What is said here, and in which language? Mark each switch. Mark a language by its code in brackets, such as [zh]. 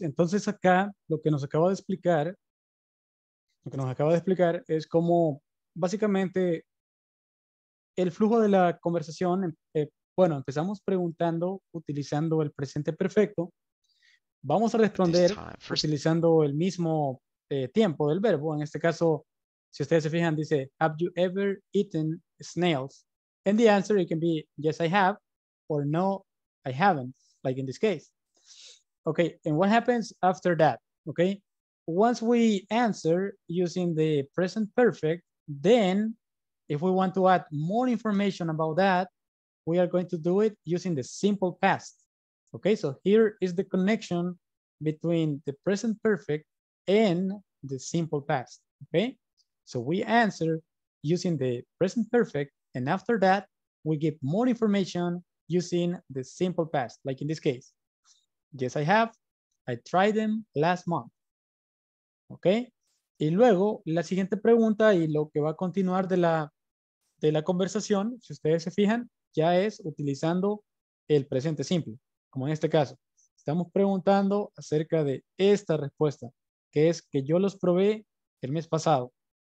[es] Entonces acá lo que nos acaba de explicar, lo que nos acaba de explicar es cómo básicamente el flujo de la conversación, bueno, empezamos preguntando utilizando el presente perfecto. Vamos a responder utilizando el mismo tiempo del verbo. En este caso, si ustedes se fijan, dice, [en] have you ever eaten snails? And the answer, it can be, yes, I have, or no, I haven't, like in this case. Okay, and what happens after that? Okay, once we answer using the present perfect, then if we want to add more information about that, we are going to do it using the simple past. Okay, so here is the connection between the present perfect and the simple past, okay? So we answer using the present perfect, and after that, we give more information using the simple past, like in this case. Yes, I have. I tried them last month. Okay? [es] Y luego, la siguiente pregunta y lo que va a continuar de la conversación, si ustedes se fijan, ya es utilizando el presente simple. Como en este caso, estamos preguntando acerca de esta respuesta, que es que yo los probé el mes pasado.